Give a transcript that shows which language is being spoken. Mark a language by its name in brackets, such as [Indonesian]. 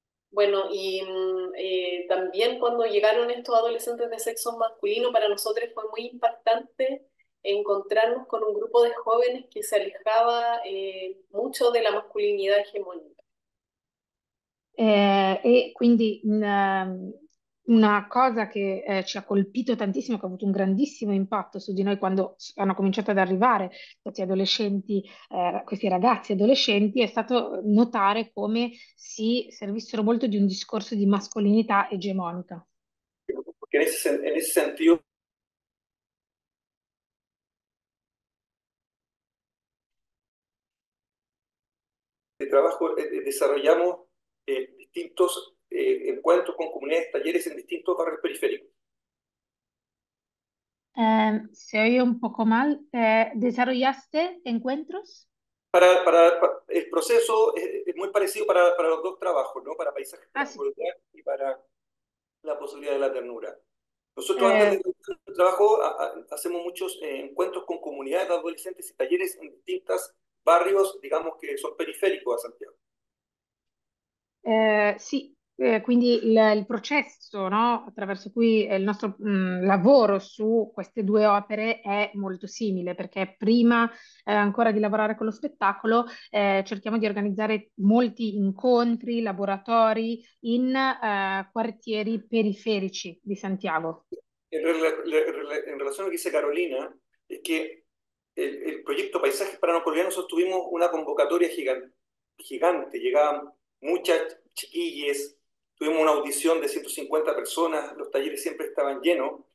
[Spanish] Bueno, y también cuando llegaron estos adolescentes de sexo masculino, para nosotros fue muy impactante encontrarnos con un grupo de jóvenes que se alejaba mucho de la masculinidad hegemónica. [Italian] E quindi una cosa che ci ha colpito tantissimo, che ha avuto un grandissimo impatto su di noi quando hanno cominciato ad arrivare questi adolescenti, questi ragazzi adolescenti, è stato notare come si servissero molto di un discorso di mascolinità egemonica. [Spanish] In ese sentido, de trabajo desarrollamos distintos encuentros con comunidades, talleres en distintos barrios periféricos. Se oí un poco mal, ¿desarrollaste encuentros? Para el proceso es muy parecido para los dos trabajos, ¿no? Para Paisajes para Ah, sí. colorear y para la posibilidad de la ternura. Nosotros antes de nuestro trabajo hacemos muchos encuentros con comunidades de adolescentes y talleres en distintos barrios, digamos que son periféricos a Santiago. [Italian] Sì. Quindi il processo, no, attraverso cui il nostro lavoro su queste due opere è molto simile, perché prima ancora di lavorare con lo spettacolo cerchiamo di organizzare molti incontri, laboratori in quartieri periferici di Santiago. [Spanish] En relación a lo que dice Carolina, es que el proyecto Paisajes para no colorear, nosotros tuvimos una convocatoria gigante, llegaban muchas chiquillas, tuvimos una audición de 150 personas, los talleres siempre estaban llenos.